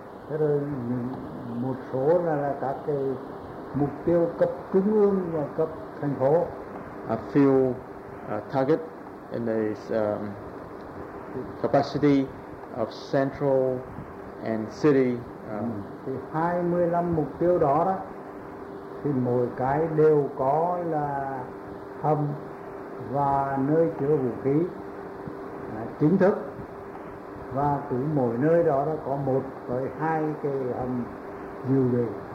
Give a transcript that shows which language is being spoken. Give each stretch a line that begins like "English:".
Vietnamese: Thế rồi một số là các cái mục tiêu cấp trung ương và cấp thành phố.
English: A few target in the capacity of central and city.
Vietnamese: Thì 25 mục tiêu đó thì mỗi cái đều có là hầm và nơi chứa vũ khí chính thức. Và cứ mỗi nơi đó là có một tới hai cái hầm dự bị.